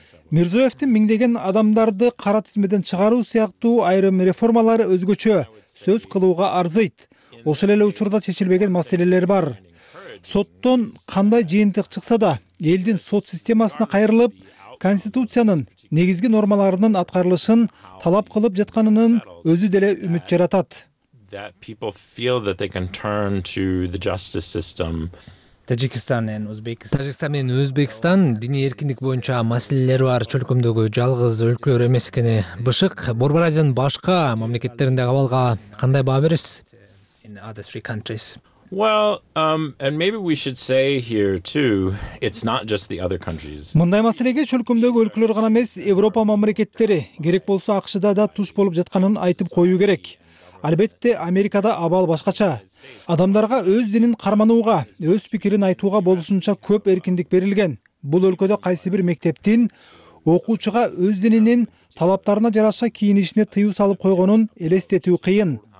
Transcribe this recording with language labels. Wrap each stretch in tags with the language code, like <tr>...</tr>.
<ky>Мирзиёевдин миңдеген адамдарды кара тизмеден чыгаруу сыяктуу айрым реформалар өзгөчө сөз кылууга арзыйт. Ошол эле учурда чечилбеген маселелер бар. Соттон кандай жыйынтык чыкса да, элдин сот системасына кайрылып, конституциянын негизги нормаларынын аткарылышын талап кылып жатканынын өзү деле үмүт жаратат.</ky> <en>That people feel that they can turn to the justice system.</en> <ky>Тажикстан менен Өзбекстан диний эркиндик боюнча маселелери бар чөлкөмдөгү жалгыз өлкөлөр эмес экени бышык. Борбор Азиянын башка мамлекеттеринде абалга кандай баа бересиз?</ky> <en>In other three countries. Well, and maybe we should say here too, it's not just the other countries.</en> <ky>Мындай маселеге чөлкөмдөгү өлкөлөр гана эмес, Европа мамлекеттери, керек болсо АКШ-да да туш болуп жатканын айтып коюу керек. Албетте, Америкада абал башкача. Адамдарга өз динин карманууга, өз пикирин айтууга болушунча көп эркиндик берилген. Бул өлкөдө кайсы бир мектептин окуучуга өз дининин талаптарына жараша кийинишине тыюу салып койгонун элестетүү кыйын.</ky>